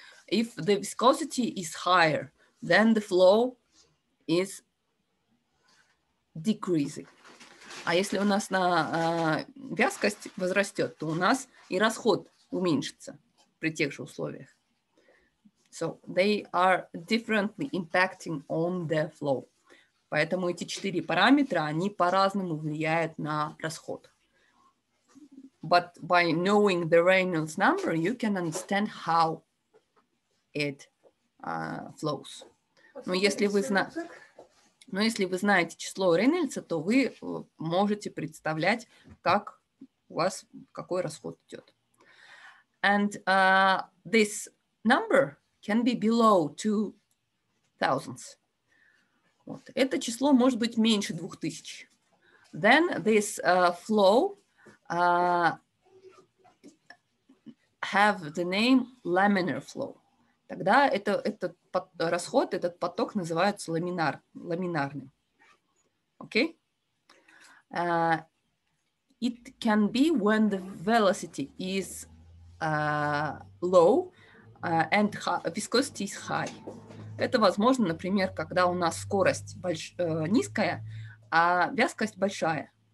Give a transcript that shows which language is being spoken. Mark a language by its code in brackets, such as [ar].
[en] If the viscosity is higher, then the flow is decreasing. [ru] А если у нас вязкость возрастет, то у нас и расход уменьшится при тех же условиях. [en] So they are differently impacting on the flow. [ru] Поэтому эти четыре параметра, они по-разному влияют на расход. [en] But by knowing the Reynolds number, you can understand how it flows. [ru] Но если вы знаете... Но если вы знаете число Рейнольдса, то вы можете представлять, как у вас какой расход идет. [en] And this number can be below 2000. Вот. [ru] Это число может быть меньше 2000. [en] Then this flow have the name laminar flow. [ru] Тогда этот расход, этот поток называется ламинарным. [en] Okay? It can be when the velocity is low and viscosity is high. [ru] Это возможно, например, когда у нас скорость низкая, а вязкость большая.